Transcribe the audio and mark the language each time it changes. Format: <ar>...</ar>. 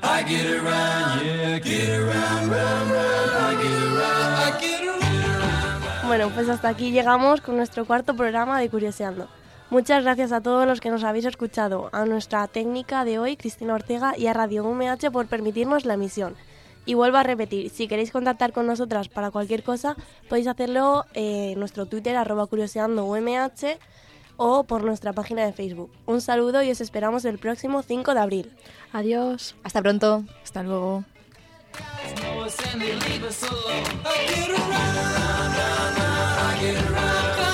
<en>I get around. Yeah, get around, round, round. I get around. I get around.</en> <es>Bueno, pues hasta aquí llegamos con nuestro cuarto programa de Curioseando. Muchas gracias a todos los que nos habéis escuchado, a nuestra técnica de hoy, Cristina Ortega, y a Radio UMH por permitirnos la emisión. Y vuelvo a repetir, si queréis contactar con nosotras para cualquier cosa, podéis hacerlo en nuestro Twitter, @curioseandoumh, o por nuestra página de Facebook. Un saludo y os esperamos el próximo 5 de abril. Adiós. Hasta pronto. Hasta luego.</es> <en>I get around, I get around.</en>